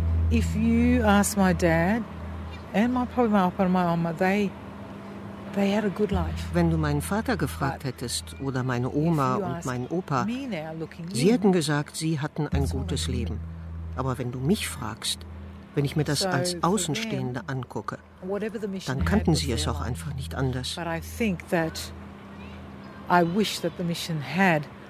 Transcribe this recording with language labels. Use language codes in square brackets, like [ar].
[en] If you ask my dad and my papa and my mama, they had a good life. [de] Wenn du meinen Vater gefragt hättest oder meine Oma und meinen Opa, sie hätten gesagt, sie hatten ein gutes Leben. Aber wenn du mich fragst, wenn ich mir das als Außenstehende angucke, dann kannten sie es auch einfach nicht anders. [en] But I think that I wish that the mission had.